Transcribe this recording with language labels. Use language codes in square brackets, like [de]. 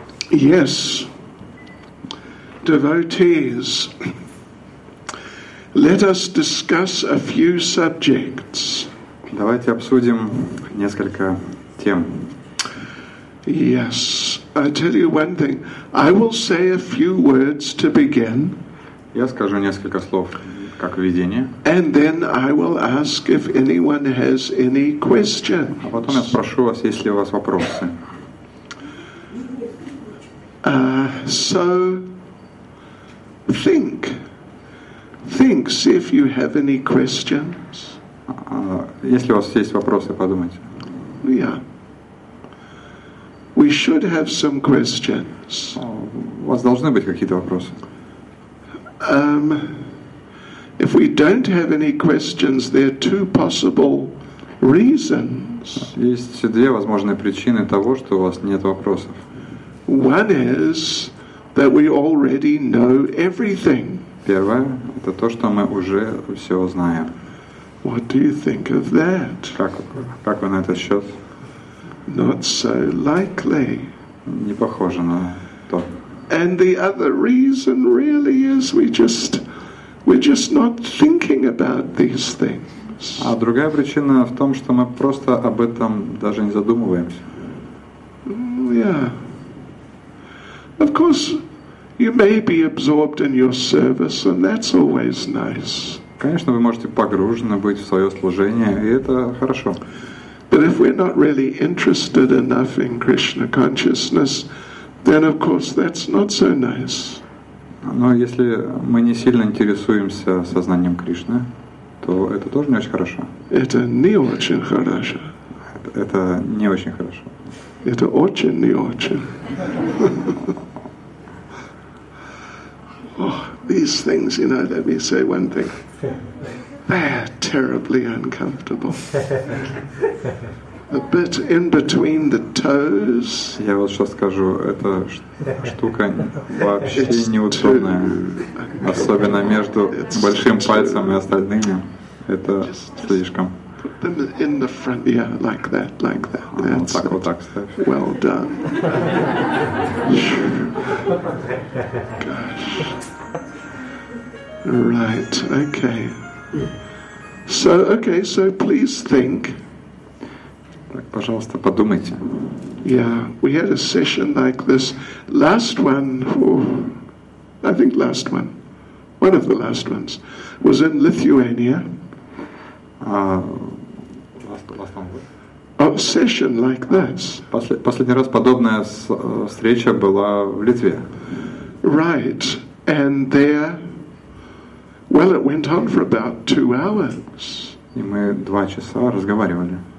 [en] Yes, devotees, let us discuss a few subjects. [ru] Давайте обсудим несколько. [en] Yes, I tell you one thing. I will say a few words to begin. [ru] Я скажу несколько слов как введение. [en] And then I will ask if anyone has any questions. [ru] А потом я спрошу вас, есть ли у вас вопросы. [en] So think, see if you have any questions. [ru] Если у вас есть вопросы, подумайте. [en] Yeah. We should have some questions. [ru] У вас должны быть какие-то вопросы. [en] If we don't have any questions, there are two possible reasons. [ru] Есть две возможные причины того, что у вас нет вопросов. [en] One is that we already know everything. [ru] Первое – это то, что мы уже все знаем. [en] What do you think of that? [ru] Как вы на этот счет? [en] Not so likely. [ru] Не похоже на то. [en] And the other reason really is we're just not thinking about these things. [ru] А другая причина в том, что мы просто об этом даже не задумываемся. [en] Yeah. Of course, you may be absorbed in your service, and that's always nice. [ru] Конечно, вы можете погружены быть в свое служение, и это хорошо. [en] But if we're not really interested enough in Krishna consciousness, then of course that's not so nice. [ru] Но если мы не сильно интересуемся сознанием Кришны, то это тоже не очень хорошо. Это не очень хорошо. Это не очень хорошо. Это очень не очень. [en] Oh, these things, you know, let me say one thing. They are terribly uncomfortable. A bit in between the toes. [ru] Я вот сейчас скажу, эта штука вообще неудобная, особенно между большим пальцем и остальными. Это слишком. [en] Put them in the front, yeah, like that. That's it. [ru] Вот так, [en] well done. Gosh. Right, okay. So please think. [ru] Так, пожалуйста, подумайте. [en] Yeah, we had a session like this. One of the last ones was in Lithuania. Last one. A session like this. [ru] Последний раз подобная встреча была в Литве. [en] Right, and there, well, it went on for about 2 hours. [ru] И мы 2 часа разговаривали.